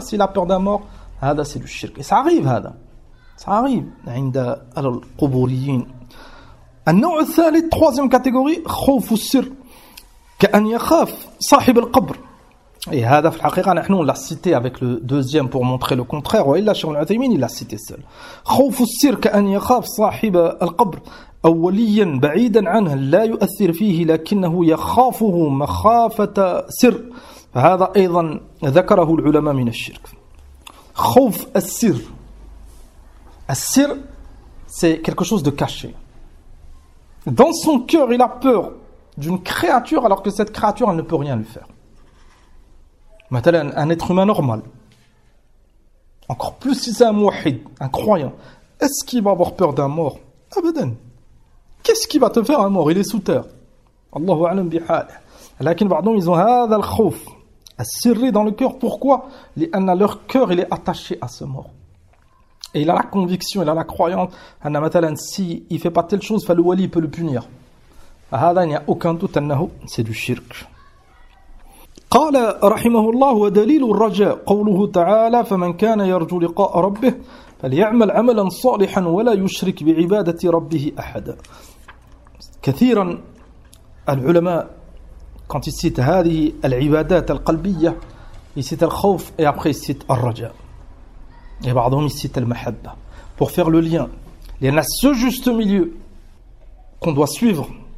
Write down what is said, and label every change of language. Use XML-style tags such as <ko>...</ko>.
<fr>S'il a peur d'un mort,</fr> <ar>hada,</ar> <fr>c'est du shirk. Et ça arrive, hada. Ça arrive.</fr> <ar>Inda al-quburiyin. Annu'u thalith,</ar> <fr>troisième catégorie,</fr> <ar>khawf al-sir. Ka'an yakhaf sahib al-qabr.</ar> <fr>Et</fr> <ar>hada, fil haqiqa, nahnu,</ar> <fr>on l'a cité avec le deuxième pour montrer le contraire.</fr> <ar>Wa illa</ar> <fr>Cheikh al-Uthaymin, il l'a cité seul.</fr> <ar>Khawf al-sir, ka'an yakhaf sahib al-qabr. أوليا بعيدا عنه لا يؤثر فيه لكنه يخافه مخافة سر فهذا أيضا ذكره العلماء من الشرك خوف السر السر</ar> <fr>c'est quelque chose de caché. Dans son cœur, il a peur d'une créature alors que cette créature, elle ne peut rien lui faire. Un être humain normal, encore plus si c'est un mouhid, un croyant, est-ce qu'il va avoir peur d'un mort ?</fr> <ar>Abadan.</ar> <fr>Qu'est-ce qui va te faire un mort ? Il est sous terre.</fr> <ar>Allahu a'lam bihal. Lakin ba'dhum,</ar> <fr>ils ont</fr> <ar>hadha al-khawf,</ar> <fr>assiré dans le cœur. Pourquoi ?</fr> <ar>Lianna,</ar> <fr>leur cœur, il est attaché à ce mort. Et il a la conviction, il a la croyance,</fr> <ar>anna matalan,</ar> <fr>si il fait pas telle chose, le wali peut le punir.</fr> <ar>Hadha,</ar> <fr>il n'y a aucun doute,</fr> <ar>annahu,</ar> <fr>c'est du shirk.</fr> <ar>قال رحمه الله ودليل الرجاء قوله تعالى فمن كان يرجو لقاء ربه فليعمل عملا صالحا ولا يشرك بعبادة ربه أحدا. كثيرا العلماء</ar> <fr>quand ils citent</fr> <ar>هذه العبادات القلبية</ar> <fr>ils citent</fr> <ar>الخوف</ar> <fr>et après ils citent</fr> <ar>الرجاء</ar> <fr>et</fr> <ar>بعضهم</ar> <fr>ils citent</fr> <ar>المحبة</ar> <fr>pour faire le lien. Il y en a ce juste milieu qu'on doit suivre.</fr>